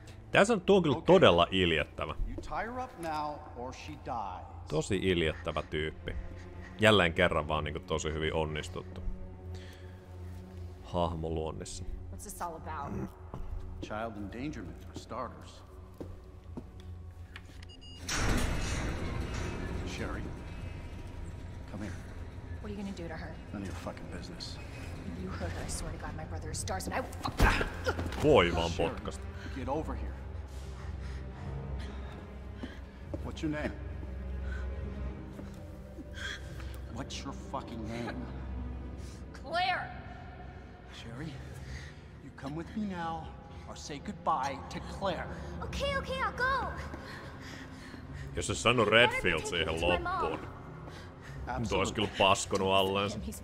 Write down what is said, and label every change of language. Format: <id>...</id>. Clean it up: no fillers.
<fi>Tässä on tuo kyllä todella iljettävä.</fi> <en>You tie her up now or she dies.</en> <fi>Tosi iljettävä tyyppi. Jälleen kerran vaan niinku tosi hyvin onnistuttu. Hahmo luonnissa.</fi> <en>What's this all about? Child endangerment for starters. Sherry. Come here. What are you gonna do to her? None of your fucking business. You hurt her, I swear to God, my brother is stars and I will fuck.</en> <fi>Voi vaan potkasta.</fi> <en>Get over here. What's your name? What's your fucking name? Claire! Sherry, you come with me now or say goodbye to Claire. Okay, okay, I'll go.</en> <fi>Jos se sanoi Redfield siihen loppuun, mutta olisi kyllä paskonut alleensa.</fi>